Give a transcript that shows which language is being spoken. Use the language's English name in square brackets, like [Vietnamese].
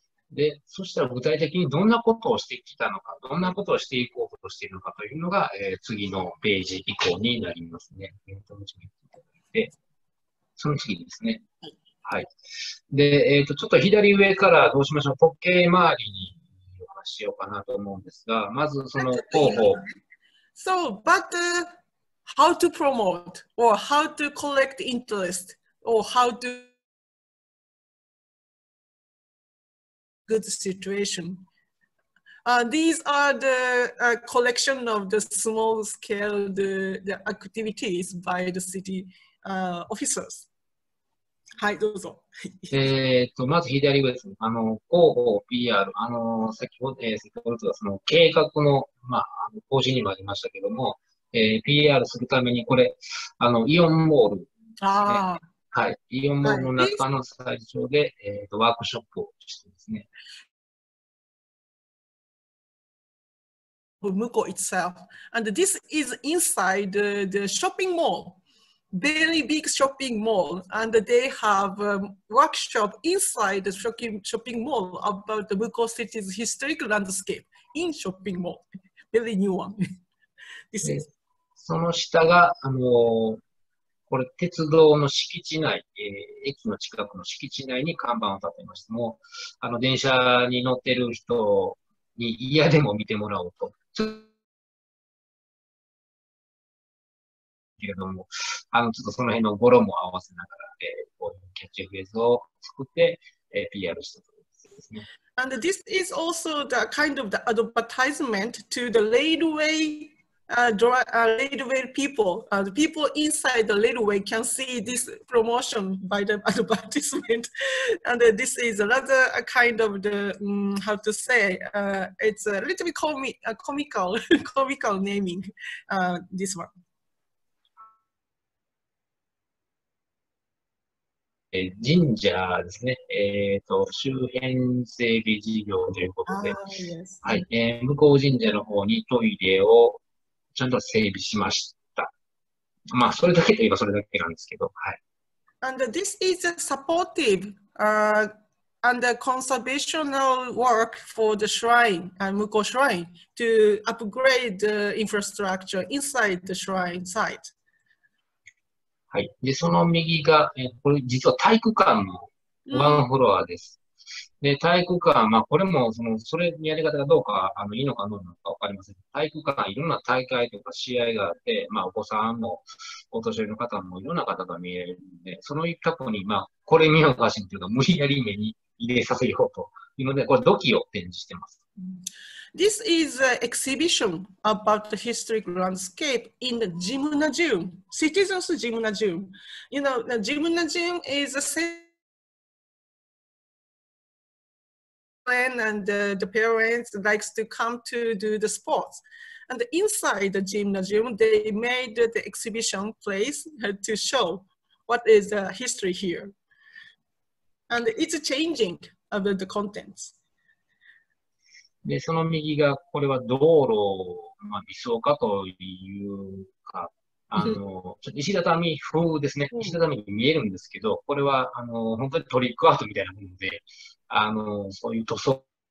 [Japanese] で、そしたら具体的にどんなことをしてきたのか、どんなことをしていこうとしているのかというのが、次のページ以降になりますね。で、その次ですね。はい。で、ちょっと左上からどうしましょう。時計回りにお話しようかなと思うんですが、まずその広報。 [English] So, but how to promote or how to collect interest or how to good situation. These are the collection of the small scale the activities by the city officers. [Japanese] はい、どうぞ。まず左上です。あの、広報、PR、あの、先ほどとはその計画の、まあ、更新にもありましたけども、PR するためにこれ、あの、イオンモール、ね。ああ。はい。イオンモールの中の最初で、ワークショップをしてですね。 [English] 向こう itself. And this is inside the shopping mall. Very big shopping mall, and they have workshop inside the shopping mall about the Muko City's historic landscape in shopping mall. Very new one. This is. [Japanese] その下が、あの、これ鉄道の敷地内、駅の近くの敷地内に看板を立てました。もう電車に乗ってる人に嫌でも見てもらおうと。けれども、ちょっとその辺の語呂も合わせながら、こういうキャッチフレーズを作って、PR したところですね。 [English] And this is also the kind of the advertisement to the railway, railway people. The people inside the railway can see this promotion by the advertisement. And this is rather a kind of the, how to say, it's a little bit comical, comical naming, this one. [Japanese] 神社ですね。周辺整備事業ということで、はい、向こう神社の方にトイレをちゃんと整備しました。まあ、それだけといえばそれだけなんですけど、はい。 [English] And this is a supportive, and a conservational work for the shrine, Mukou Shrine, to upgrade the infrastructure inside the shrine site. [Japanese] はい。で、その右が、これ実は体育館のワンフロアです。うん、で、体育館、まあ、これも、それのやり方がどうか、いいのかどうなのかわかりません。体育館、いろんな大会とか試合があって、まあ、お子さんも、お年寄りの方も、いろんな方が見えるんで、その一角に、まあ、これ見ようかしらというか、無理やり目に入れさせようというので、これ土器を展示してます。 [English] This is an exhibition about the historic landscape in the gymnasium, citizens gymnasium. You know, the gymnasium is a center and the parents like to come to do the sports. And inside the gymnasium, they made the exhibition place to show what is the history here. And it's changing of the contents. [Japanese] で、その右が、これは道路、まあ、微小化というか、ちょっと石畳風ですね。石畳に見えるんですけど、これは、本当にトリックアートみたいなもので、そういう塗装。